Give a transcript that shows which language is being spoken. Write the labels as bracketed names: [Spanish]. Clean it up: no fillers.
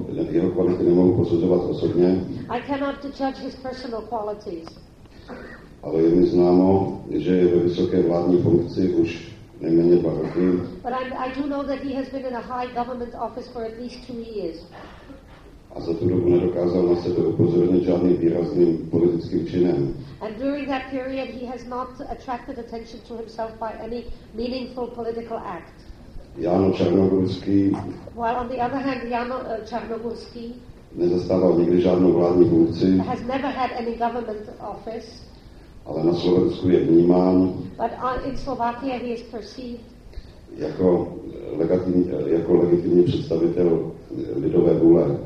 [Czech] Jeho kvality nemohu posuzovat osobně. [English] I cannot judge his personal qualities. [Czech] Ale je mi známo, že je ve vysoké vládní funkci už nejméně 2 roky. [English] But I do know that he has been in a high government office for at least 2 years. [Czech] A za tu dobu nedokázal na sebe upozornit žádným výrazným politickým činem. [English] And during that period he has not attracted attention to himself by any meaningful political act. [Czech] Jano Černogurský. [English] While on the other hand, Jano Černogurský [Czech] nezastával nikdy žádnou vládní funkci. [English] Has never had any government office. [Czech] Ale na Slovensku je vnímán. [English] But in Slovakia he is perceived. [Czech] Jako legitimní představitel lidové vůle.